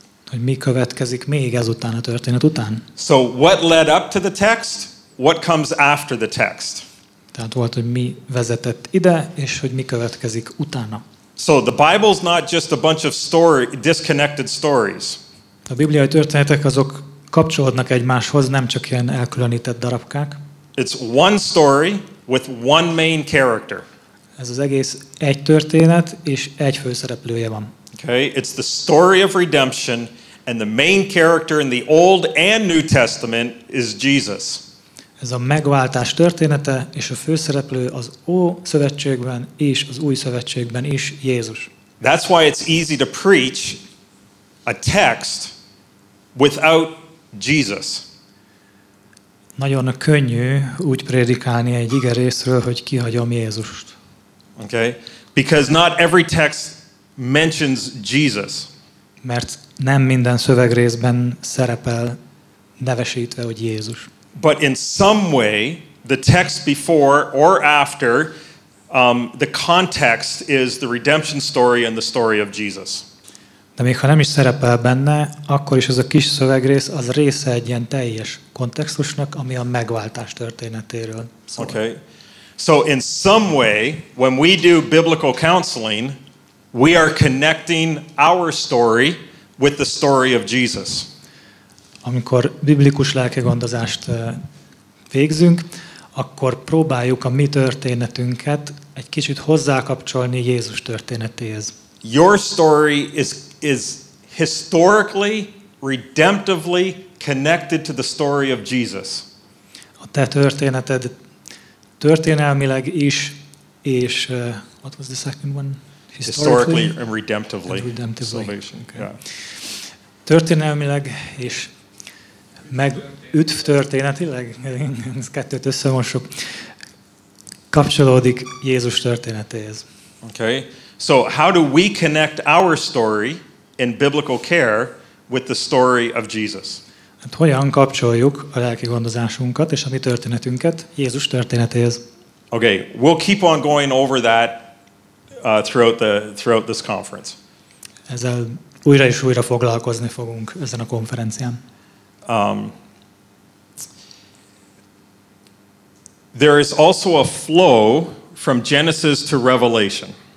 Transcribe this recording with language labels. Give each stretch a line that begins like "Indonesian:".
Hungarian: Hogy mi következik még ezután a történet után?
English: So what led up to the text? What comes after the text?
Hungarian: Tehát volt, hogy mi vezetett ide, és hogy mi következik utána.
English: So the Bible's not just a bunch of story, disconnected stories.
Hungarian: A bibliai történetek azok kapcsolódnak egymáshoz, nem csak ilyen elkülönített darabkák.
English: It's one story with one main character.
Hungarian: Ez az egész egy történet, és egy főszereplője van.
English: Okay, it's the story of redemption, and the main character in the Old and New Testament is Jesus.
Hungarian: Ez a megváltás története, és a főszereplő az Ószövetségben és az Új Szövetségben is Jézus.
English: That's why it's easy to preach a text without Jesus.
Hungarian: Nagyon könnyű úgy prédikálni egy ige részről, hogy kihagyom Jézust.
English: Okay? Because not every text mentions Jesus.
Hungarian: Mert nem minden szövegrészben szerepel nevesítve, hogy Jézus.
English: But in some way, the text before or after, the context is the redemption story and the story of Jesus.
Hungarian: De még ha nem is szerepel benne, akkor is ez a kis szövegrész az része egy ilyen teljes kontextusnak, ami a megváltás történetéről szól.
English: Okay. So in some way, when we do biblical counseling, we are connecting our story with the story of Jesus.
Hungarian: Amikor biblikus lelkigondozást végzünk, akkor próbáljuk a mi történetünket egy kicsit hozzákapcsolni Jézus történetéhez.
English: Your story is historically, redemptively connected to the story of Jesus.
Hungarian: A te történeted történelmileg is, és
English: what was the second one? Historically and redemptively. And redemptively. Salvation. Okay. Yeah.
Hungarian: Történelmileg és meg üdv történetileg, ez kettőt összemosok, kapcsolódik Jézus történetéhez.
English: Okay. So how do we connect our story in biblical care with the story of Jesus?
Hungarian: Hát hogyan kapcsoljuk a lelki gondozásunkat és a mi történetünket Jézus történetéhez?
English: Okay, we'll keep on going over that throughout this conference.
Hungarian: Ezzel újra és újra foglalkozni fogunk ezen a konferencián.
English: There is also a flow from Genesis to Revelation.